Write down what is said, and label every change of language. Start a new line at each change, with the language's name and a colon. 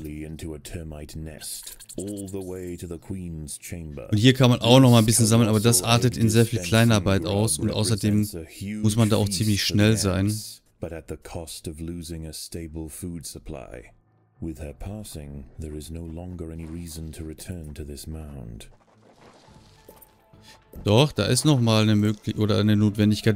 German: Und hier kann man auch nochmal ein bisschen sammeln, aber das artet in sehr viel Kleinarbeit aus. Und außerdem muss man da auch ziemlich schnell sein.
English: But at the cost of losing a stable food supply. With her passing, there is no longer any reason to return to this mound.
German: Doch, da ist nochmal eine Möglichkeit oder eine Notwendigkeit.